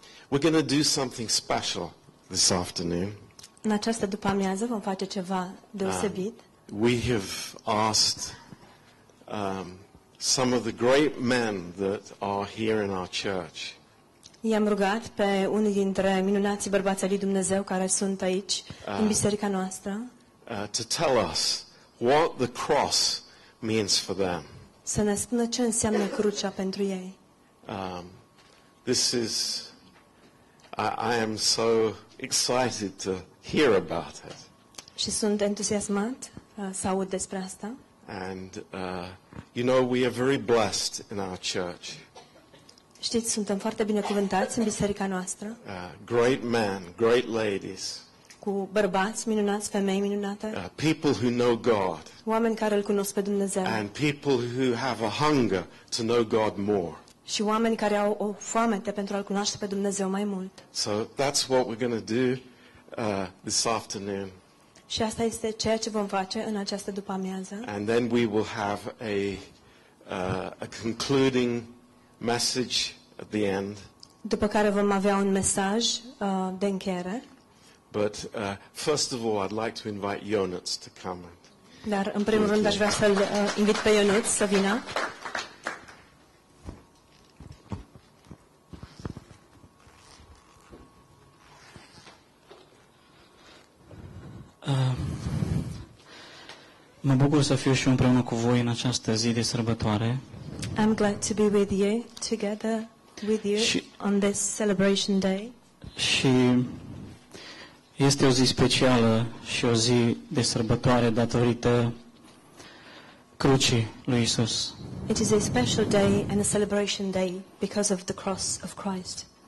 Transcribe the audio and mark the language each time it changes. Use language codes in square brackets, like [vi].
[en] We're going to do something special this afternoon. [ro] În această după-amiază vom face ceva deosebit. [en] We have asked some of the great men that are here in our church. [ro] I-am rugat pe unii dintre minunații bărbați ai lui Dumnezeu care sunt aici în biserica noastră. [en] To tell us what the cross means for them. [ro] Să ne spună ce înseamnă crucea pentru ei. [en] This is I am so excited to hear about it. [ro] Și sunt entuziasmat să aud despre asta. [en] And you know, we are very blessed in our church. [ro] Știți, suntem foarte binecuvântați în biserica noastră. [en] Great men, great ladies. [ro] Cu bărbați minunați, femei minunate. [en] People who know God. [ro] Oameni care îl cunosc pe Dumnezeu. [en] And people who have a hunger to know God more. [ro] Și oameni care au o foamete pentru a-l cunoaște pe Dumnezeu mai mult. [en] So that's what we're going to do this afternoon. [ro] Și asta este ceea ce vom face în această după-amiază. [en] And then we will have a concluding message at the end. [ro] După care vom avea un mesaj de încheiere. [en] But first of all, I'd like to invite Ionuț to come. [ro] Dar în primul rând aș vrea să -l invit pe Ionuț să vină. Mă bucur să fiu și împreună cu voi în această zi de sărbătoare. [en] I'm glad to be with you, together with you on this celebration day. [ro] Și este o zi specială și o zi de sărbătoare datorită crucii lui Isus. [en] It is a special day and a celebration day because of the cross of Christ.